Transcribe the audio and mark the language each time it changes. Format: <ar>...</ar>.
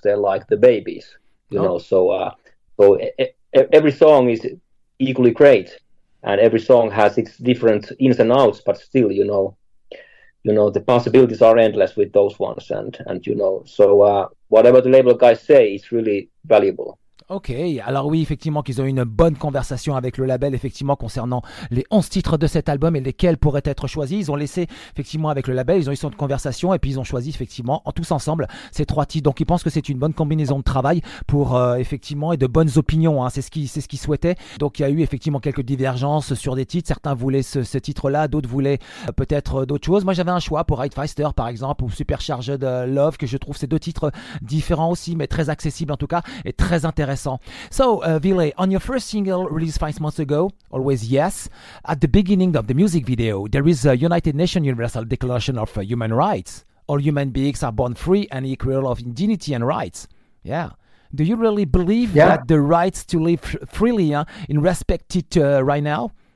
<en>They're like the babies, you know. So every song is equally great, and every song has its different ins and outs. But still, you know, the possibilities are endless with those ones. And you know, so whatever the label guys say is really valuable.</en> <fr>Ok, alors oui, effectivement qu'ils ont eu une bonne conversation avec le label, effectivement concernant les 11 titres de cet album et lesquels pourraient être choisis. Ils ont laissé effectivement avec le label, ils ont eu cette conversation et puis ils ont choisi effectivement tous ensemble ces 3 titres. Donc ils pensent que c'est une bonne combinaison de travail pour effectivement et de bonnes opinions, hein. c'est ce qu'ils souhaitaient. Donc il y a eu effectivement quelques divergences sur des titres, certains voulaient ce titre-là, d'autres voulaient peut-être d'autres choses. Moi j'avais un choix pour Ride Faster par exemple ou Supercharged Love, que je trouve ces deux titres différents aussi mais très accessibles en tout cas et très intéressants.</fr> <en>So, Ville, on your first single released 5 months ago, Always Yes, at the beginning of the music video, there is a United Nations Universal Declaration of Human Rights. All human beings are born free and equal of dignity and rights. Yeah. Do you really believe that the rights to live freely in respected right now?</en>